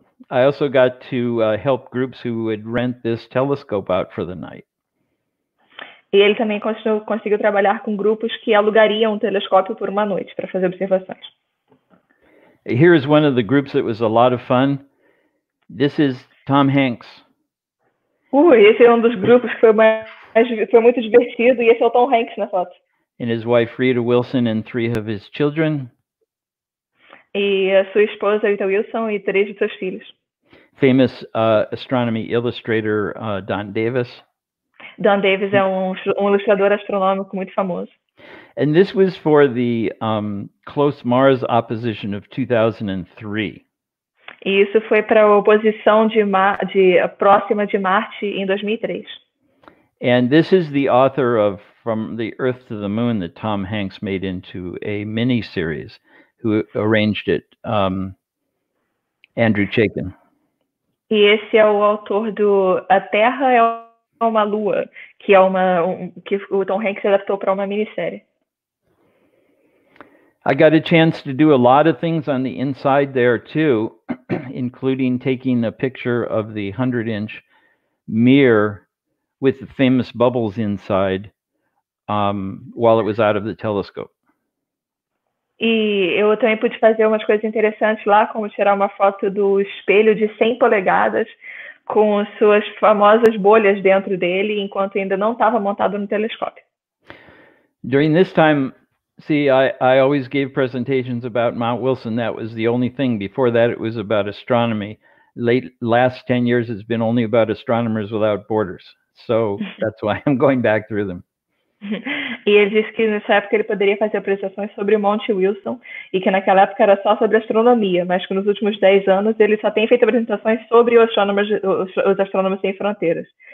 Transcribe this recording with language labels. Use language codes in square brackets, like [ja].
[en] I also got to help groups who would rent this telescope out for the night. [pt] E ele também conseguiu trabalhar com grupos que alugariam um telescópio por uma noite para fazer observações. [en] Here is one of the groups that was a lot of fun. This is Tom Hanks. [pt] Esse é um dos grupos que foi muito divertido, e esse é o Tom Hanks na foto. [en] And his wife Rita Wilson and three of his children. [pt] E a sua esposa, Rita Wilson, e três de seus filhos. [en] Famous astronomy illustrator, Don Davis. [pt] Don Davis é um ilustrador astronômico muito famoso. [en] And this was for the close Mars opposition of 2003. [pt] E isso foi para a oposição próxima de Marte em 2003. [en] And this is the author of From the Earth to the Moon that Tom Hanks made into a mini-series. Who arranged it, Andrew Chaikin. [pt] E esse é o autor do A Terra é uma Lua, que é que o Tom Hanks adaptou para uma minissérie. [en] I got a chance to do a lot of things on the inside there too, including taking a picture of the 100-inch mirror with the famous bubbles inside while it was out of the telescope. [pt] E eu também pude fazer umas coisas interessantes lá, como tirar uma foto do espelho de 100 polegadas com suas famosas bolhas dentro dele, enquanto ainda não estava montado no telescópio. [en] During this time, see, I always gave presentations about Mount Wilson. That was the only thing. Before that, it was about astronomy. Last 10 years, it's been only about astronomers without borders. So that's why I'm going back through them. [pt] E ele disse que nessa época ele poderia fazer apresentações sobre Monte Wilson, e que naquela época era só sobre astronomia, mas que nos últimos 10 anos ele só tem feito apresentações sobre os astrônomos sem fronteiras.